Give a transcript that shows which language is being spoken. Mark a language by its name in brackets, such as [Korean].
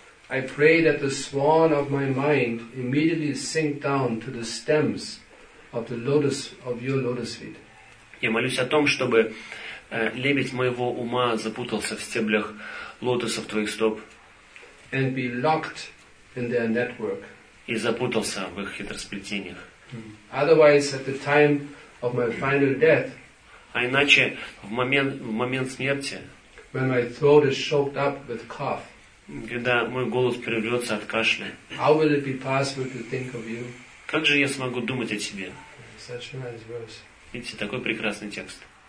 [English] I pray that the swan of my mind immediately sink down to the stems of the lotus of your lotus feet. [Russian] Я молюсь о том, чтобы лебедь моего ума запутался в стеблях лотосов твоих стоп. [English] And be locked in their network. [Russian] И запутался в их хитросплетениях. [English] Otherwise, at the time of my final death. [Russian] А иначе в момент смерти. [English] When my throat is choked up with cough. [Russian] Когда мой голос прервется от кашля. [English] How will it be possible to think of you? [Russian] Как же я смогу думать о тебе? [English] Such a nice verse. [Russian] Видите, такой прекрасный текст.